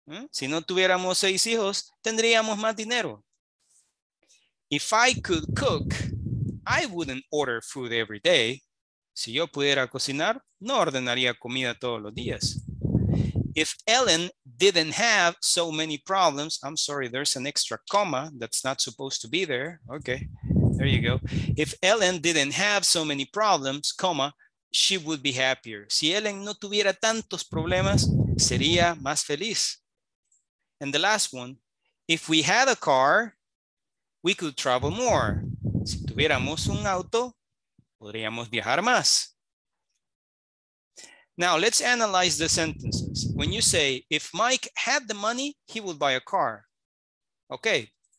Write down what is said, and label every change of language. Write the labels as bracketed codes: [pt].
[es] Si no tuviéramos seis hijos, tendríamos más dinero. [en] If I could cook, I wouldn't order food every day. [es] Si yo pudiera cocinar, no ordenaría comida todos los días. [en] If Ellen didn't have so many problems, I'm sorry, there's an extra comma that's not supposed to be there. Okay, there you go. If Ellen didn't have so many problems, comma, she would be happier. [es] Si Ellen no tuviera tantos problemas, sería más feliz. [en] And the last one, if we had a car, we could travel more. [es] Si tuviéramos un auto, podríamos viajar más. [en] Now, let's analyze the sentences. When you say, if Mike had the money, he would buy a car. Okay.